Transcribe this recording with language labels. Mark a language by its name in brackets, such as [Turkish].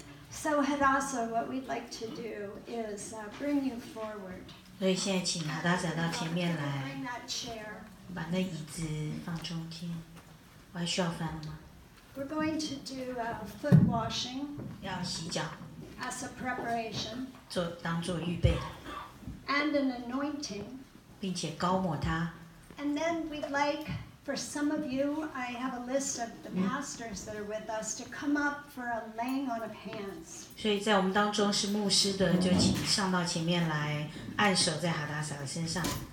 [English] So Hadassah, what we'd like to do is bring you forward. [Chinese] 所以现在请哈达撒到前面来。 [English] Bring that chair. [Chinese] 把那椅子放中间。我还需要翻吗 [English] ？We're going to do foot washing. [Chinese] 要洗脚。 [English] As a preparation. [Chinese] 做当做预备。 [English] And an anointing. [Chinese] 并且膏抹他。 [English] And then we'd like for some of you, I have a list of the pastors that are with us to come up for a laying on of hands. [Chinese] 所以在我们当中是牧师的，就请上到前面来，按手在哈达撒的身上。